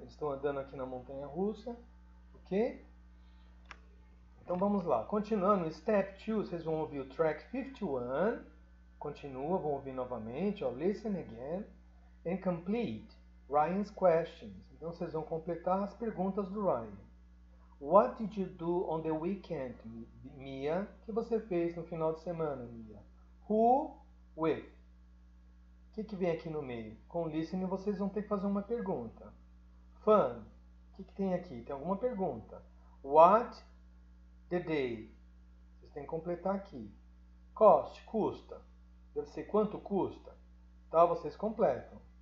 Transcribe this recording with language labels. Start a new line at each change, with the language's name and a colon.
Portuguese: Estou andando aqui na montanha-russa, ok? Então vamos lá. Continuando, step 2, vocês vão ouvir o track 51. Continua, vão ouvir novamente, ó.
English: Listen again and complete Ryan's questions.
Portuguese: Então vocês vão completar as perguntas do Ryan.
English: What did you do on the weekend, Mia?
Portuguese: O que você fez no final de semana, Mia?
English: Who? With?
Portuguese: O que vem aqui no meio? Com listening vocês vão ter que fazer uma pergunta. Fun. O que tem aqui? Tem alguma pergunta.
English: What the day?
Portuguese: Vocês têm que completar aqui. Cost. Custa. Deve ser quanto custa. Tá? Vocês completam.